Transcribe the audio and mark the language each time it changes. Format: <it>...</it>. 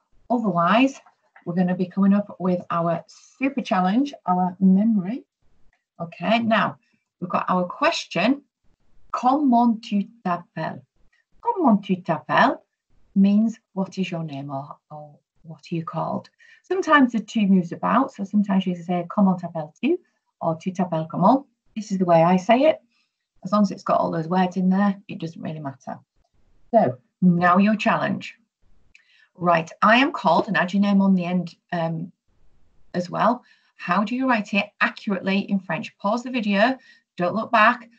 <en>Otherwise, we're going to be coming up with our super challenge, our memory. Okay, now we've got our question.</en> <fr>Comment tu t'appelles? Comment tu t'appelles</fr> <en>means what is your name, or what are you called? Sometimes the two moves about. So sometimes you say</en> <fr>comment t'appelles-tu</fr> <en>or</en> <fr>tu t'appelles comment.</fr> <en>This is the way I say it. As long as it's got all those words in there, it doesn't really matter. So now your challenge. Right, I am called, and add your name on the end as well. How do you write it accurately in French? Pause the video. Don't look back.</en>